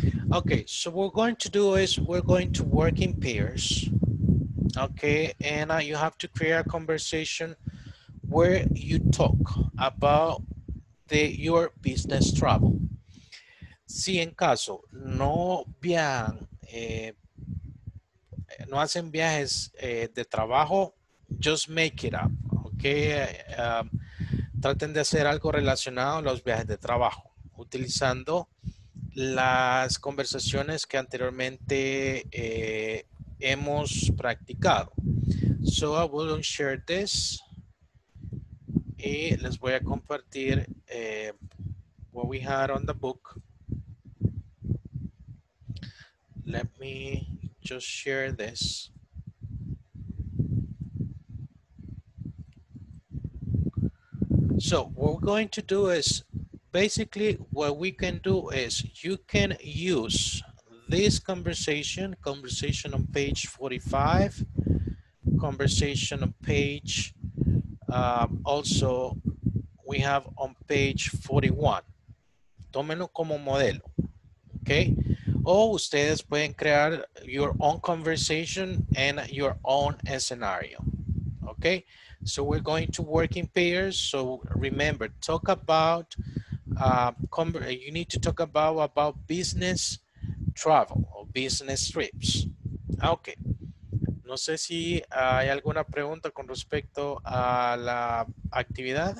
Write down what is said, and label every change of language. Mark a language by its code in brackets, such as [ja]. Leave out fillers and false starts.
[en] Okay, so what we're going to do is we're going to work in pairs. Okay, and you have to create a conversation where you talk about your business travel. [es] Si en caso no viajan, no hacen viajes de trabajo, [en] just make it up. [es] Okay, traten de hacer algo relacionado a los viajes de trabajo utilizando las conversaciones que anteriormente hemos practicado. [en] So I will share this [es] y les voy a compartir [en] what we had on the book. Let me just share this. So what we're going to do is basically, what we can do is you can use this conversation on page 45, conversation on page, also we have on page 41. [es] Tómenlo como modelo, okay? O ustedes pueden crear [en] your own conversation and your own scenario, [es] okay? [en] So we're going to work in pairs. So remember, talk about you need to talk about business travel or business trips. Okay. [es] No sé si hay alguna pregunta con respecto a la actividad.